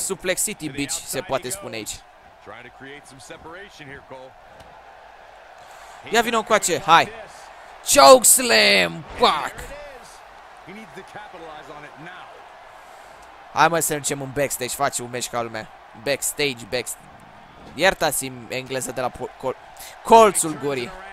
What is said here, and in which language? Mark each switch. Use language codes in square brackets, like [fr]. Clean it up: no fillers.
[ro] Suplex City, bitch, se poate spune aici. [en] Trying to create some separation here, Cole. [ro] Ia vino cu ace, hai. [en] Choke slam, fuck. He needs to capitalize on it now. [ro] Hai mai să începem un backstage, face un match ca lumea. Backstage, backstage. Iertați-mi engleză de la colțul gurii.